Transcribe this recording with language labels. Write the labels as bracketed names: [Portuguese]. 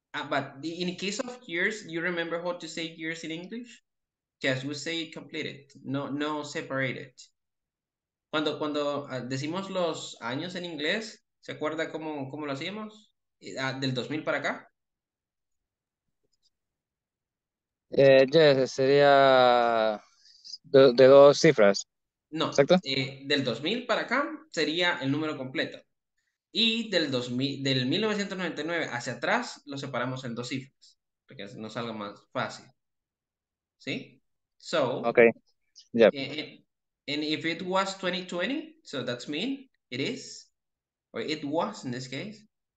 [English] But in case of years, you remember how to say years in English? Yes, we say completed, no separated. [Spanish] Cuando decimos los años en inglés, ¿se acuerda cómo lo hacíamos? ¿Del 2000 para acá? Yes, sería de dos cifras. No, exacto. Del 2000 para acá sería el número completo. Y del 1999 hacia atrás lo separamos en dos cifras, para que nos salga más fácil. ¿Sí? So, [English] okay. Yep. And if it was 2020, so that's mean it is, or it was in this case.